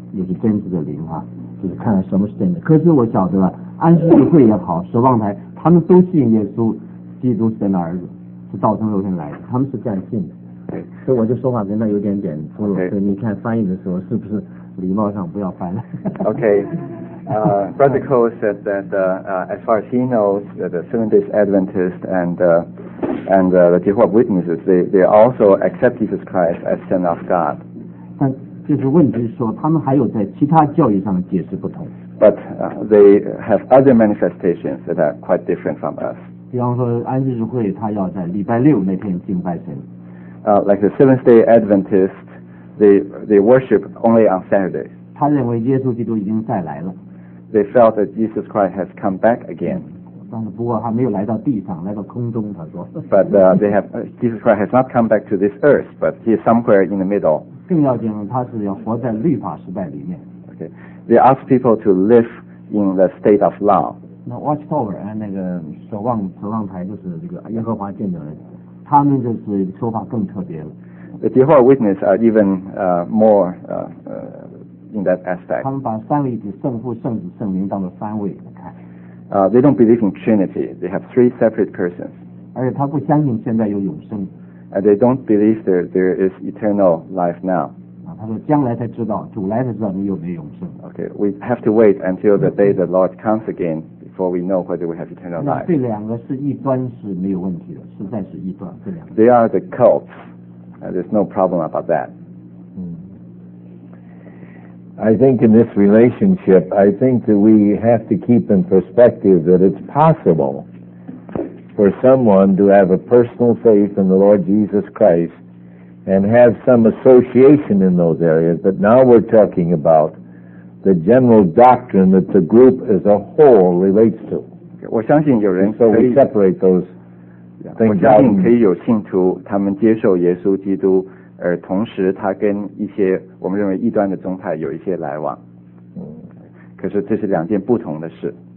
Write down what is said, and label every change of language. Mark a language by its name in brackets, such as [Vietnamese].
[Chinese] 也是真实的灵啊，就是看看什么是真的。可是我晓得了，安息日会也好，守望台，他们都信耶稣基督神的儿子，是道成肉身来的，他们是这样信的。对，所以我就说话跟他有点点粗鲁，所以你看翻译的时候是不是礼貌上不要翻了。 [English] OK, Brother Cole said that as far as he knows, the Seventh Day Adventist and the Jehovah's Witnesses, they also accept Jesus Christ as Son of God. [Chinese] 但就是问题是说，他们还有在其他教义上的解释不同。 [English] But they have other manifestations that are quite different from us. [Chinese] 比方说安息日会，他要在礼拜六那天敬拜神。 [English] Like the Seventh Day Adventist, they worship only on Saturday. [Chinese] 他认为耶稣基督已经再来了。 [English] They felt that Jesus Christ has come back again. [Chinese] 但是不过他没有来到地上，来到空中，他说。 [English] But Jesus Christ has not come back to this earth, but he is somewhere in the middle. [Chinese] 更要紧，他是要活在律法时代里面。 [English] Okay, they ask people to live in the state of law. [Chinese] 那 Watchtower 那个守望台就是这个耶和华见证人。他们就是说法更特别了。 [English] The Jehovah's Witnesses are even more in that aspect. [Chinese] 他们把三位一体圣父、圣子、圣灵当作三位来看。 [English] They don't believe in Trinity. They have three separate persons. [Chinese] 而且他不相信现在有永生。 [English] And they don't believe there is eternal life now. [Chinese] 他说将来才知道，主来才知道你有没有永生。 [English] Okay, we have to wait until the day the Lord comes again. Before we know whether we have eternal life. [Chinese] 那这两个是异端是没有问题的，实在是异端，这两个。 [English] They are the cults. There's no problem about that. I think in this relationship, I think that we have to keep in perspective that it's possible for someone to have a personal faith in the Lord Jesus Christ and have some association in those areas. But now we're talking about. The general doctrine that the group as a whole relates to. [Chinese] 我相信有人可以 [English] separate those things out. [Chinese] 我相信可以有信徒，他们接受耶稣基督，而同时他跟一些我们认为异端的宗派有一些来往。可是这是两件不同的事。